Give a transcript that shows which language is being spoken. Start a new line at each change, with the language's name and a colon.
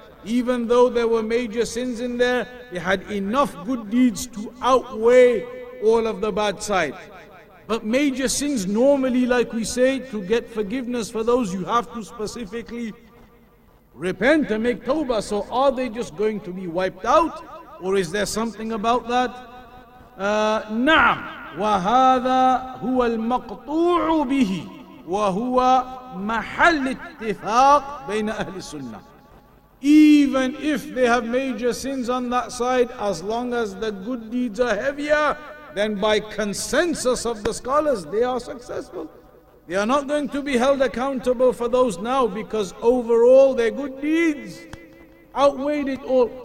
English: Even though there were major sins in there, they had enough good deeds to outweigh all of the bad side. But major sins normally, like we say, to get forgiveness for those, you have to specifically repent and make tawbah. So are they just going to be wiped out? Or is there something about that?
Arabic: نعم. وهذا هو المقطوع به وهو محل اتفاق بين أهل السنة.
English: Even if they have major sins on that side, as long as the good deeds are heavier, then by consensus of the scholars, they are successful. They are not going to be held accountable for those now, because overall their good deeds outweighed it all.